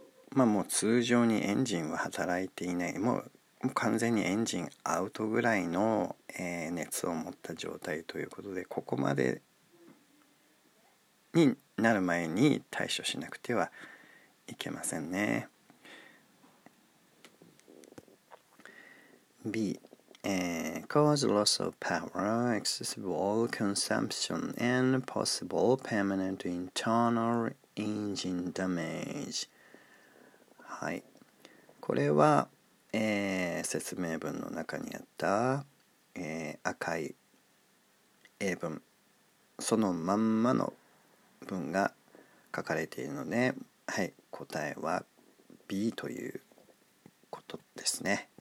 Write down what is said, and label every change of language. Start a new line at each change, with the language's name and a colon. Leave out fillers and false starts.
Japanese: まあもう通常にエンジンは働いていない、もう完全にエンジンアウトぐらいの、熱を持った状態ということで、ここまでになる前に対処しなくてはいけませんね。
English: B、cause loss of power, excessive oil consumption and possible permanent internal engine damage。
Japanese: はい、これは説明文の中にあった、赤い英文そのまんまの文が書かれているので、はい、答えは B ということですね。